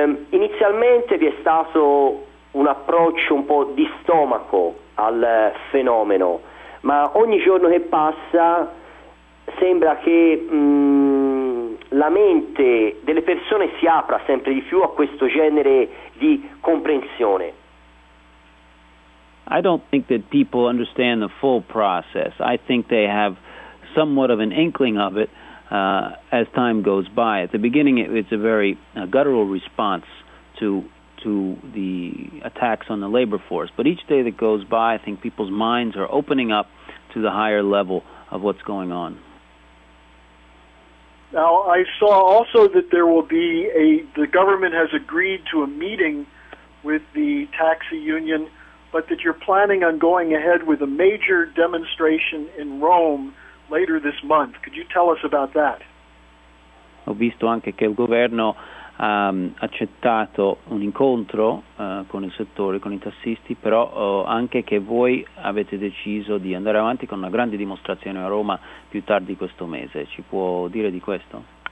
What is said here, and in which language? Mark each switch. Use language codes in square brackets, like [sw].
[it] Inizialmente vi è stato un approccio un po' di stomaco al fenomeno, ma ogni giorno che passa sembra che la mente delle persone si apra sempre di più a questo genere di comprensione. [en] I don't think that people understand the full process. I think they have somewhat of an inkling of it as time goes by. At the beginning, it's a very guttural response to the attacks on the labor force. But each day that goes by, I think people's minds are opening up to the higher level of what's going on. Now, I saw also that there will be the government has agreed to a meeting with the taxi union, but that you're planning on going ahead with a major demonstration in Rome later this month. Could you tell us about that? [it] Ho visto anche che il governo ha accettato un incontro con il settore, con i tassisti, però anche che voi avete deciso di andare avanti con una grande dimostrazione a Roma più tardi questo mese. Ci può dire di questo?